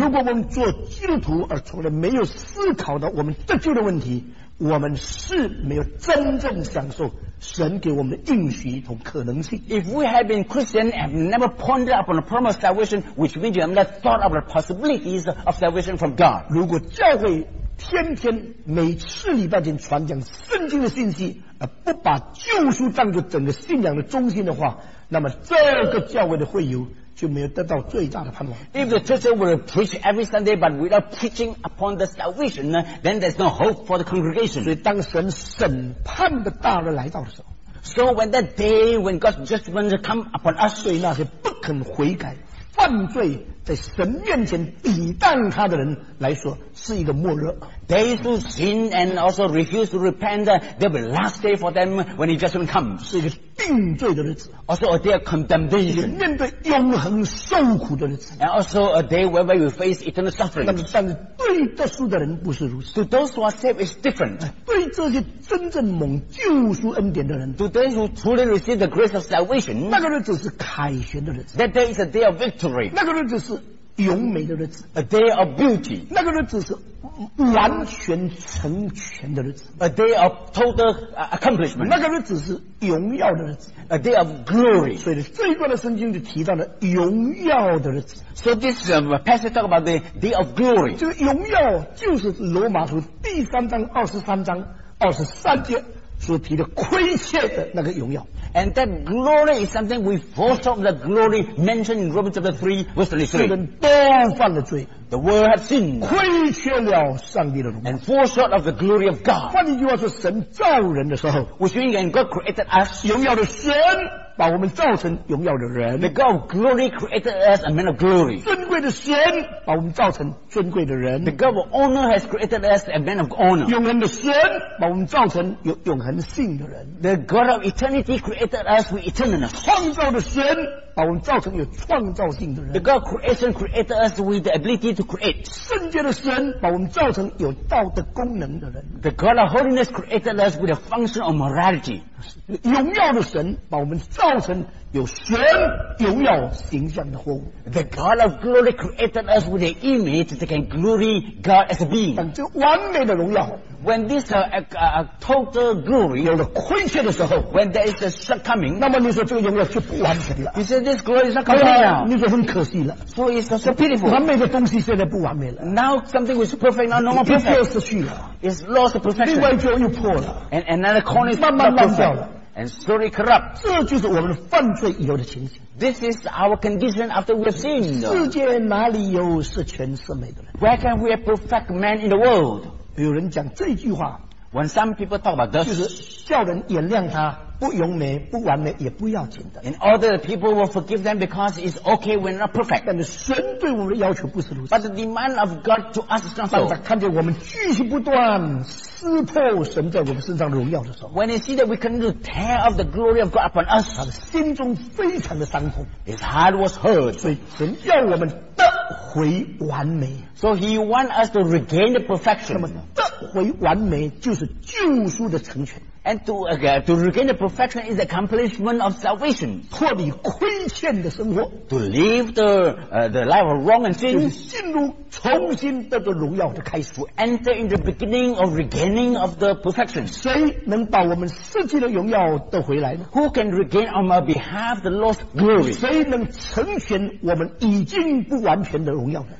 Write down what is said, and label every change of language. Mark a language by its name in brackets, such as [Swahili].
[Chinese] 如果我们做基督徒而从来没有思考到我们得救的问题, 我们是没有真正享受神给我们的应许一种可能性。 [English] If we have been Christian and never pondered upon the promise of salvation, which means you have not thought of the possibilities of salvation from God. [Chinese] 如果教会天天每次礼拜天传讲圣经的信息，而不把救赎当作整个信仰的中心的话，那么这个教会的会友就没有得到最大的盼望。 [English] If the church were to preach every Sunday, but without preaching upon the salvation, then there's no hope for the congregation. [Chinese] 所以当神审判的大日来到的时候 [English] ，So when that day when God's judgment come upon us, [Chinese] 对那些不肯悔改、犯罪在神面前抵挡他的人来说，是一个末日。 [English] They who sin and also refuse to repent, there will be last day for them when the judgment comes. [Chinese] 是一个定罪的日子。 [English] Also a day of condemnation. [Chinese] 面对永恒受苦的日子。 [English] And also a day where you face eternal suffering. [Chinese] 但是对得书的人不是如此。 [English] To those who are saved is different. [Chinese] 对这些真正蒙救赎恩典的人。 [English] To those who truly receive the grace of salvation. [Chinese] 那个日子是凯旋的日子。 [English] That day is a day of victory. [Chinese] 那个日子是永美的日子。 [English] A day of beauty. [Chinese] 那个日子是完全成全的日子。 [English] A day of total accomplishment. [Chinese] 那个日子是荣耀的日子。 [English] A day of glory. [Chinese] 所以这一段的圣经就提到了荣耀的日子。 [English] So this passage talk about the day of glory. [Chinese] 这个荣耀就是罗马书第三章二十三章二十三节所提的亏欠的那个荣耀。 [English] And that glory is something we foresaw the glory mentioned in Romans chapter 3, verse 23. [Chinese] 人都犯了罪。 [English] The world has sinned. [Chinese] 亏缺了上帝的荣耀。 [English] And fall short of the glory of God. [Chinese] 换句话说，神造人的时候 [English] ，Which means when God created us, [Chinese] 荣耀的神把我们造成荣耀的人。 [English] The God of glory created us a man of glory. [Chinese] 尊贵的神把我们造成尊贵的人。 [English] The God of honor has created us a man of honor. [Chinese] 永恒的神把我们造成有永恒性的人。 [English] The God of eternity created us with eternalness. [Chinese] 创造的神把我们造成有创造性的人。 [English] The God of creation created us with the ability to create. [Chinese] 圣洁的神把我们造成有道德功能的人。 [English] The God of holiness created us with a function of morality. [Chinese] 荣耀的神把我们造成有神荣耀形象的活物。 [English] The God of glory created us with an image that can glory God as a being. [Chinese] 等这完美的荣耀。 [English] When this total glory [Chinese] 有了亏欠的时候 [English] ，When there is a shortcoming， [Chinese] 那么你说这个荣耀就不完全了。 [English] You say this glory is not complete now。 [Chinese] 你说很可惜了。 [English] So it's so pitiful。 [Chinese] 完美的东西现在不完美了。 [English] Now something which is perfect now no more perfect。 [Chinese] 又失去了。 [English] It's lost perfection。 [Chinese] 另外一角又破了。 [English] And another corner is [Chinese] 慢慢烂掉了。 [English] And slowly corrupt。 [Chinese] 这就是我们犯罪以后的情形。 [English] This is our condition after we have sinned。 [Chinese] 世界哪里有是全是美的人 [English] ？Where can we have perfect man in the world？ [Chinese] 有人讲这句话 [English] When some people talk about this, [Chinese] 就是叫人原谅他不永美不完美也不要紧的 [English] And other people will forgive them because it's okay when not perfect [Chinese] 但是神对我们的要求不是如此 [English] But the demand of God to us is not so [Chinese] 当看见我们继续不断撕破神在我们身上荣耀的时候 [English] When they see that we can tear off the glory of God upon us [Chinese] 他的心中非常的伤痛 [English] His heart was hurt [Chinese] 所以神要我们得回完美 [English] So he want us to regain the perfection [Chinese] 那么得回完美就是救赎的成全 [English] And to regain the perfection is the accomplishment of salvation. [Chinese] 脱离亏欠的生活 [English] To live the life of wrong and sin. [Chinese] 就是进入重新得到荣耀的开始 [English] To enter in the beginning of regaining of the perfection. [Chinese] 谁能把我们失去的荣耀得回来呢 [English] Who can regain on our behalf the lost glory? [Chinese] 谁能成全我们已经不完全的荣耀呢